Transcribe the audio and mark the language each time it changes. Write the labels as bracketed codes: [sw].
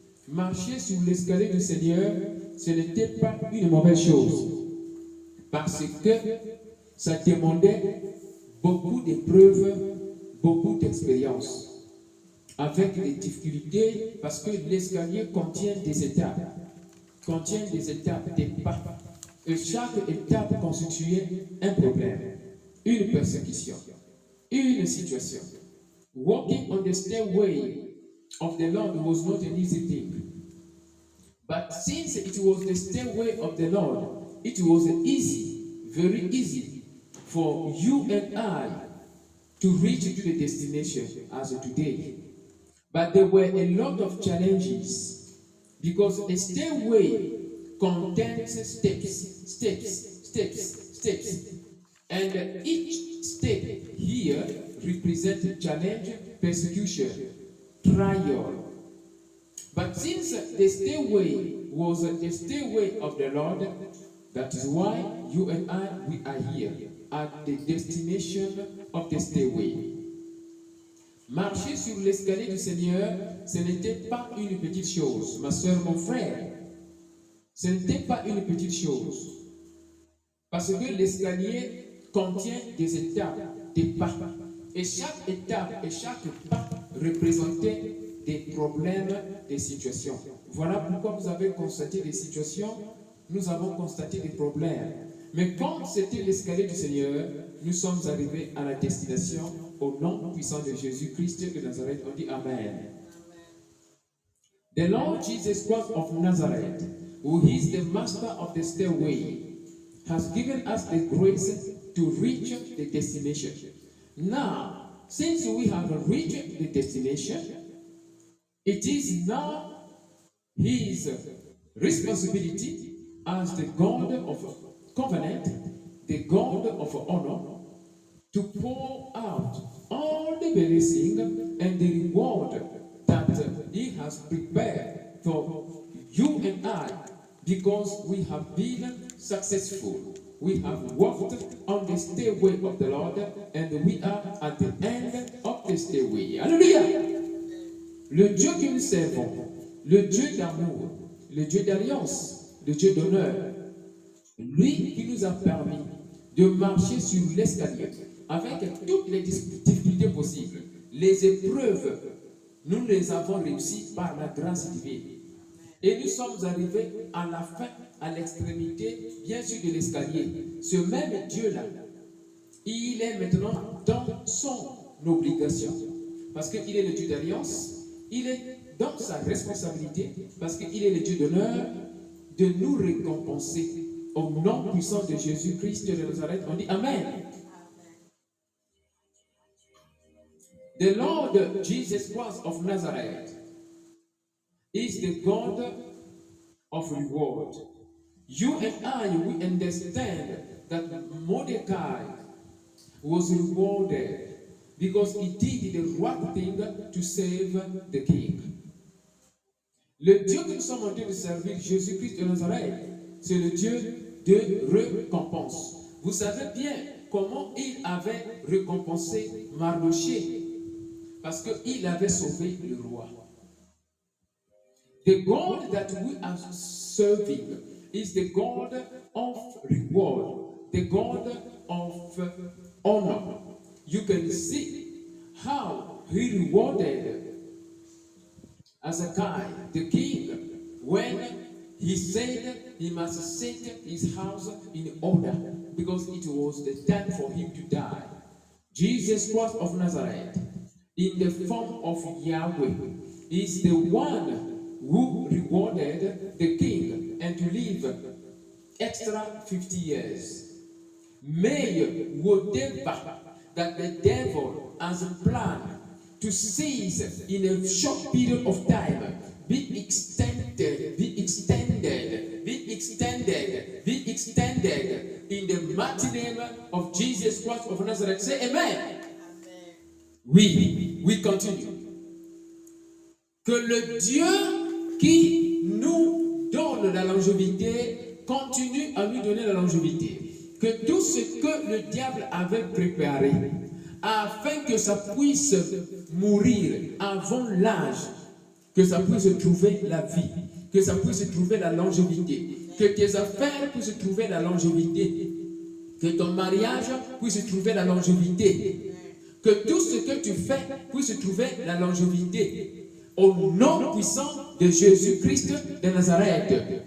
[fr] Marcher sur l'escalier du Seigneur, ce n'était pas une mauvaise chose parce que ça demandait beaucoup d'épreuves, beaucoup d'expériences, avec des difficultés, parce que l'escalier contient des étapes, des pas. Et chaque étape constituait un problème, une persécution, une situation. [en] Walking on the stairway of the Lord was not an easy thing. But since it was the stairway of the Lord, it was easy, very easy, for you and I to reach to the destination as of today. But there were a lot of challenges because a stairway contains steps. And each step here represents a challenge, persecution, trial. But since the stairway was the stairway of the Lord, that is why you and I, we are here at the destination of the stairway. [fr] Marcher sur l'escalier du Seigneur, ce n'était pas une petite chose. Ma soeur, mon frère, ce n'était pas une petite chose. Parce que l'escalier contient des étapes, des pas. Et chaque étape et chaque pas représentait des problèmes, des situations. Voilà pourquoi vous avez constaté des situations, nous avons constaté des problèmes. Mais quand c'était l'escalier du Seigneur, nous sommes arrivés à la destination. Au nom puissant de Jésus-Christ de Nazareth, on dit Amen. [en] The Lord Jesus Christ of Nazareth, who is the master of the stairway, has given us the grace to reach the destination. Now, since we have reached the destination, it is now His responsibility as the God of covenant, the God of honor, to pour out all the blessing and the reward that He has prepared for you and I, because we have been successful. We have walked on the stairway of the Lord, and we are at the end of the stairway. [fr] Alléluia! Le Dieu que nous servons, le Dieu d'amour, le Dieu d'alliance, le Dieu d'honneur, lui qui nous a permis de marcher sur l'escalier avec toutes les difficultés possibles, les épreuves, nous les avons réussies par la grâce divine. Et nous sommes arrivés à la fin, à l'extrémité, bien sûr, de l'escalier. Ce même Dieu-là, il est maintenant dans son obligation. Parce qu'il est le Dieu d'alliance, il est dans sa responsabilité, parce qu'il est le Dieu d'honneur, de nous récompenser. Au nom puissant de Jésus-Christ de Nazareth, on dit Amen. [en] The Lord Jesus Christ of Nazareth is the God of reward. You and I, we understand that Mordecai was rewarded because he did the right thing to save the king. [fr] Le Dieu que nous sommes en train de servir, Jésus-Christ de Nazareth, c'est le Dieu de récompense. Vous savez bien comment il avait récompensé Mardoché. Parce qu'il avait sauvé le roi. [en] The God that we are serving is the God of reward, the God of honor. You can see how he rewarded Hezekiah, the king, when he said he must set his house in order because it was the time for him to die. Jesus Christ of Nazareth, in the form of Yahweh, is the one who rewarded the king and to live extra 50 years. May whatever that the devil has planned to seize in a short period of time be extended in the mighty name of Jesus Christ of Nazareth. Say Amen. We continue. [fr] Que le Dieu qui nous donne la longévité continue à lui donner la longévité. Que tout ce que le diable avait préparé afin que ça puisse mourir avant l'âge, que ça puisse trouver la vie, que ça puisse trouver la longévité, que tes affaires puissent trouver la longévité, que ton mariage puisse trouver la longévité, que tout ce que tu fais puisse trouver la longévité au nom puissant de Jésus-Christ de Nazareth.